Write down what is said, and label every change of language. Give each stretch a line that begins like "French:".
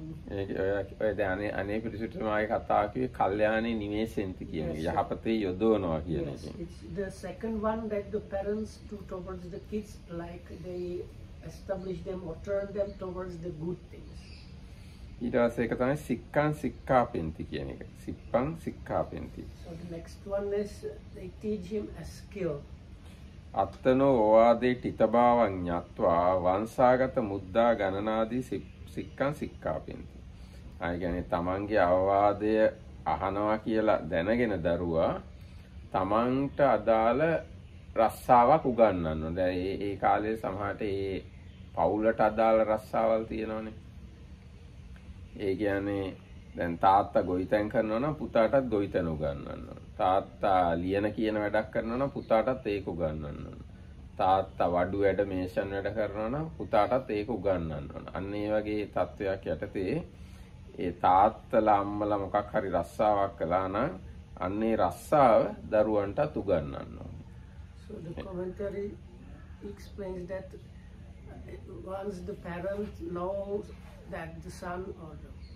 Sinhala: ඒ කියන්නේ අනේ පිළිසිටුමාගේ කතා කිව්වේ
Pali: කල්යාණේ නිවේසෙන්ති
Sinhala: කියන එක යහපතේ යොදවනවා කියන එක.
English: The second one that the parents do towards the kids like they establish them or turn them towards the good things.
Sinhala: ඊට පස්සේ එක තමයි
Pali: සික්කං සික්කාපෙන්ති
Sinhala: කියන එක.
Pali: සික්කං සික්කාපෙන්ති.
English: So the next one is they teach him a skill.
Pali: අත්තනෝ ඕවාදේ තිතභාවං ඥාත්වා වංශාගත මුද්දා ගණනාදී සික්කං සික්කාපෙන්ති.
Sinhala: ආයි කියන්නේ තමන්ගේ අවවාදය අහනවා කියලා දැනගෙන දරුවා තමන්ට අදාළ රස්සාවක් උගන්වන්න ඕනේ. දැන් ඒ කාලේ සමහරට ඒ පවුලට අදාළ රස්සාවල් තියෙනවනේ. ඒ කියන්නේ දැන් තාත්තා ගොවිතැන් කරනවා නම් පුතාටත් ගොවිතැන උගන්වන්න ඕනේ. තාත්තා ලියන කියන වැඩක් කරනවා නම් පුතාටත් ඒක උගන්වන්න ඕනේ. තාත්තා වඩු වැඩ මේෂන් වැඩ කරනවා නම් පුතාටත් ඒක උගන්වන්න ඕනේ. අන්න ඒ වගේ තත්ත්වයක් යටතේ ඒ තාත්තලා අම්මලා මොකක් හරි රස්සාවක් කළා නම් අන්නේ රස්සාව දරුවන්ටත් උගන්වන්න ඕනේ.
English: So the commentary explains that once the parents know that the son or the